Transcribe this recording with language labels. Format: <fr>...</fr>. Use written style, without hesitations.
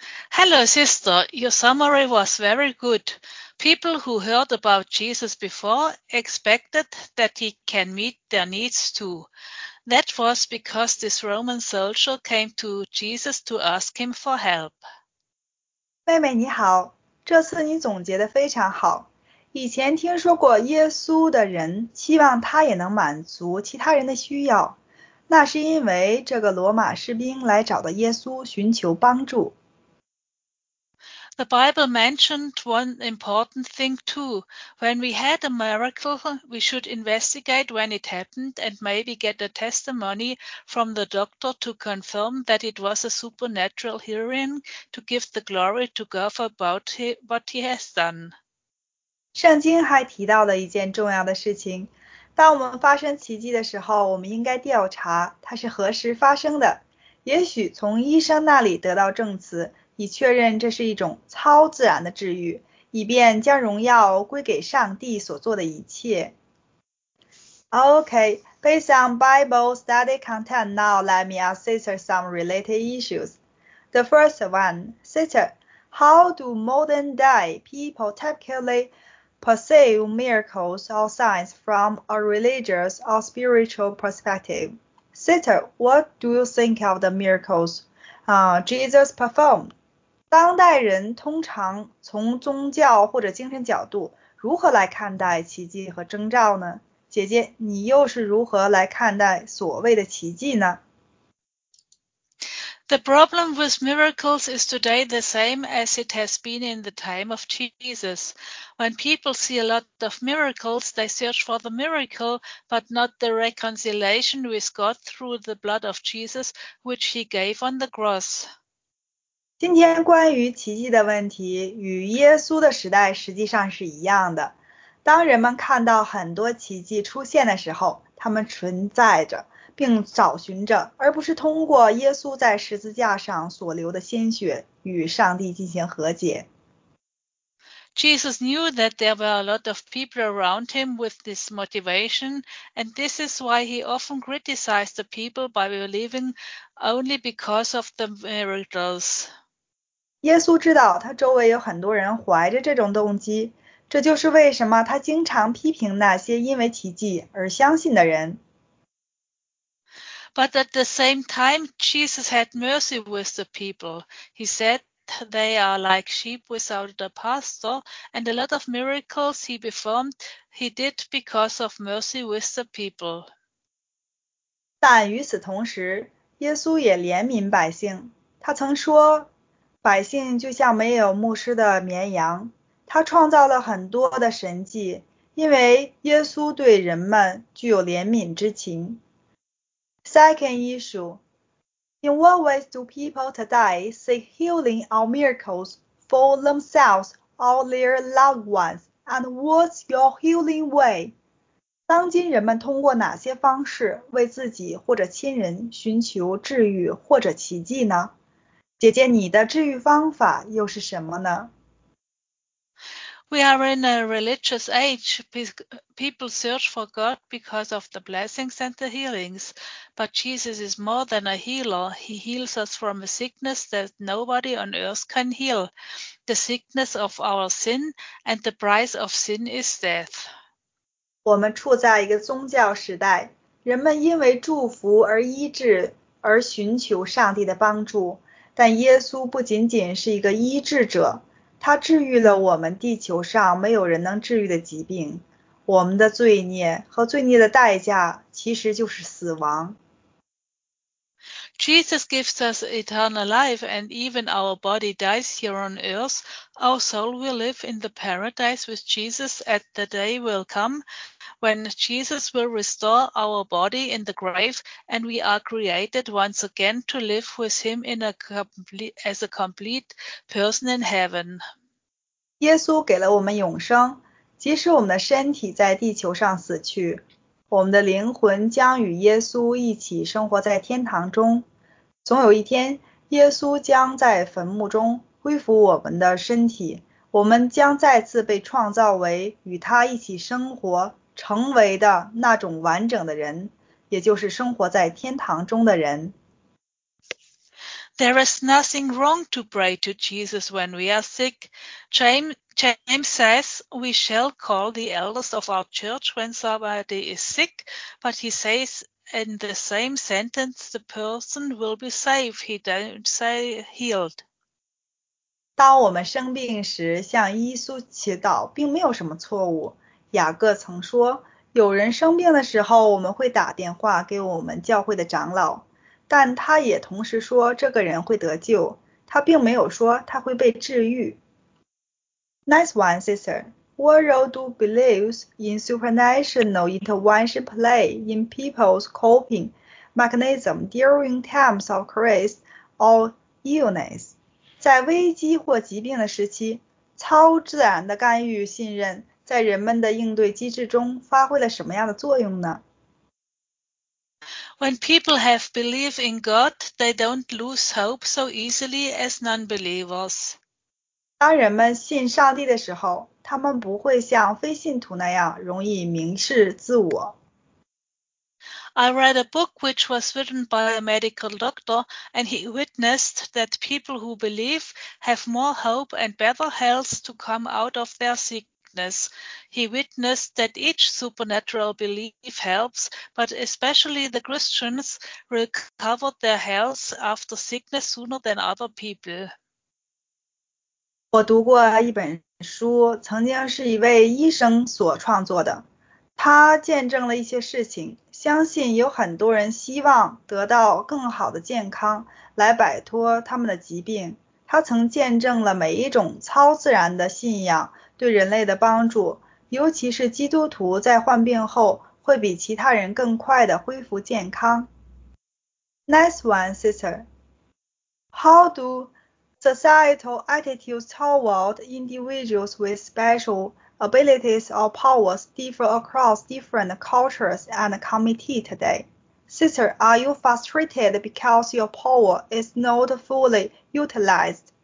<en>Hello, sister. Your summary was very good. People who heard about Jesus before expected that he can meet their needs too. That was because this Roman soldier came to Jesus to ask him for help.</en> <zh>妹妹你好，这次你总结得非常好。以前听说过耶稣的人希望他也能满足其他人的需要，那是因为这个罗马士兵来找到耶稣寻求帮助。</zh> <en>The Bible mentioned one important thing too. When we had a miracle, we should investigate when it happened and maybe get a testimony from the doctor to confirm that it was a supernatural healing to give the glory to God about what he has done.</en> <zh>圣经还提到了一件重要的事情。当我们发生奇迹的时候，我们应该调查它是何时发生的。也许从医生那里得到证词。以确认这是一种超自然的治愈，以便将荣耀归给上帝所做的一切。</zh> <en>Okay, based on Bible study content, now let me ask sister some related issues. The first one, sister, how do modern day people typically perceive miracles or signs from a religious or spiritual perspective? Sister, what do you think of the miracles Jesus performed?</en> <zh>当代人通常从宗教或者精神角度如何来看待奇迹和征兆呢？姐姐，你又是如何来看待所谓的奇迹呢？</zh> <en>The problem with miracles is today the same as it has been in the time of Jesus. When people see a lot of miracles, they search for the miracle, but not the reconciliation with God through the blood of Jesus, which he gave on the cross.</en> <zh>今天关于奇迹的问题与耶稣的时代实际上是一样的。当人们看到很多奇迹出现的时候，他们存在着并找寻着，而不是通过耶稣在十字架上所流的鲜血与上帝进行和解。</zh> <en>Jesus knew that there were a lot of people around him with this motivation, and this is why he often criticized the people by believing only because of the miracles.</en> <zh>耶稣知道他周围有很多人怀着这种动机，这就是为什么他经常批评那些因为奇迹而相信的人。</zh> <en>But at the same time, Jesus had mercy with the people. He said they are like sheep without a pastor, and a lot of miracles he performed, he did because of mercy with the people.</en> <zh>但与此同时，耶稣也怜悯百姓，他曾说百姓就像没有牧师的绵羊，他创造了很多的神迹，因为耶稣对人们具有怜悯之情。</zh> <en>Second issue, in what ways do people today seek healing or miracles for themselves or their loved ones? And what's your healing way?</en> <zh>当今人们通过哪些方式为自己或者亲人寻求治愈或者奇迹呢？姐姐，你的治愈方法又是什么呢？</zh> <en>We are in a religious age. People search for God because of the blessings and the healings. But Jesus is more than a healer. He heals us from a sickness that nobody on earth can heal. The sickness of our sin and the price of sin is death.</en> <zh>我们处在一个宗教时代，人们因为祝福而医治，而寻求上帝的帮助。但耶稣不仅仅是一个医治者，他治愈了我们地球上没有人能治愈的疾病，我们的罪孽和罪孽的代价其实就是死亡。</zh> <en>Jesus gives us eternal life, and even our body dies here on earth, our soul will live in the paradise with Jesus at the day will come, when Jesus will restore our body in the grave, and we are created once again to live with him as a complete person in heaven.</en> <zh>耶稣给了我们永生，即使我们的身体在地球上死去，我们的灵魂将与耶稣一起生活在天堂中。总有一天，耶稣将在坟墓中恢复我们的身体，我们将再次被创造为与他一起生活，成为的那种完整的人，也就是生活在天堂中的人。</zh> <en>There is nothing wrong to pray to Jesus when we are sick. James says we shall call the elders of our church when somebody is sick, but he says in the same sentence the person will be saved. He don't say healed.</en> <zh>当我们生病时向耶稣祈祷并没有什么错误。雅各曾说，有人生病的时候我们会打电话给我们教会的长老。但他也同时说这个人会得救，他并没有说他会被治愈。</zh> <en>Nice one, sister. What role do beliefs in supernatural intervention play in people's coping mechanism during times of crisis or illness?</en> <zh>在危机或疾病的时期，超自然的干预信任在人们的应对机制中发挥了什么样的作用呢？</zh> <en>When people have belief in God, they don't lose hope so easily as non-believers.</en> <zh>当人们信上帝的时候，他们不会像非信徒那样容易迷失自我。</zh> <en>I read a book which was written by a medical doctor, and he witnessed that people who believe have more hope and better health to come out of their sickness. He witnessed that each supernatural belief helps, but especially the Christians recovered their health after sickness sooner than other people.</en> <zh>我读过一本书，曾经是一位医生所创作的。他见证了一些事情，相信有很多人希望得到更好的健康，来摆脱他们的疾病。他曾见证了每一种超自然的信仰对人类的帮助，尤其是基督徒在患病后会比其他人更快地恢复健康。</zh> <en>Nice one, sister. How do societal attitudes toward individuals with special abilities or powers differ across different cultures and communities today? Sister, are you frustrated because your power is not fully utilized?</en>